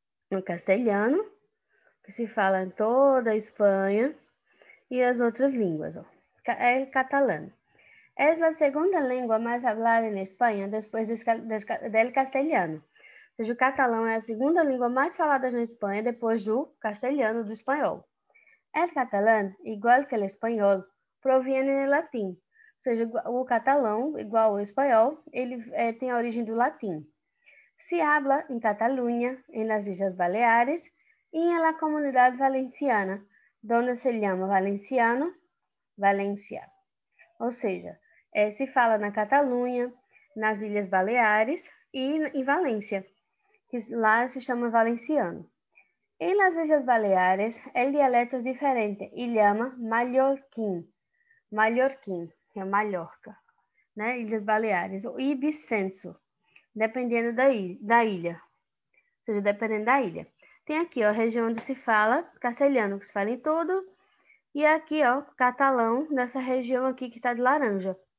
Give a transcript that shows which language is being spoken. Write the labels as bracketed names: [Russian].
[Portuguese] No castelhano, que se fala em toda a Espanha e as outras línguas, ó. El Catalán. É a segunda língua mais falada na Espanha depois del castelhano. Ou seja, o catalão é a segunda língua mais falada na Espanha depois do castelhano, do espanhol. [Spanish] El catalán, igual que el español, proviene del latín. [Portuguese] Ou seja, o catalão, igual ao espanhol, ele tem a origem do latim. [Spanish] Se habla em Catalunha, em las Islas Baleares e em la Comunidad Valenciana, donde se llama valenciano, Valencia. [Portuguese] Ou seja, se fala na Catalunha, nas Ilhas Baleares e em Valência, que lá se chama valenciano. [Spanish] Em las Islas Baleares, el dialecto es diferente y llama mallorquín. [Portuguese] Mallorquín, que é Mallorca, né? Islas Baleares. O Ibicenso, dependendo da ilha. Ou seja, dependendo da ilha. Tem aqui, ó, a região onde se fala castelhano, que se fala em todo. E aqui, ó, catalão, nessa região aqui que está de laranja.